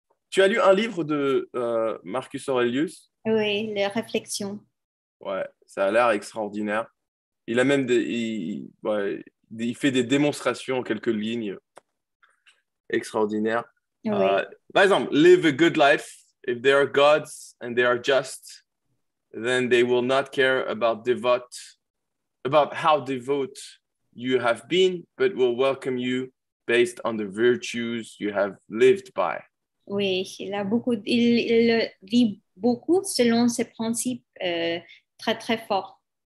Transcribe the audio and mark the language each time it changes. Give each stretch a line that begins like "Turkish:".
French: Tu as lu un livre de Marcus Aurelius ? Oui, Les Réflexions. Ouais, ça a l'air extraordinaire. Il a même il fait des démonstrations en quelques lignes extraordinaires. Oui. Par exemple,
English: live a good life. If they are gods and they are just, then they will not care about how devout you have been, but will welcome you based on the virtues you have lived by.
French: Oui, il vit beaucoup selon ses principes très très forts.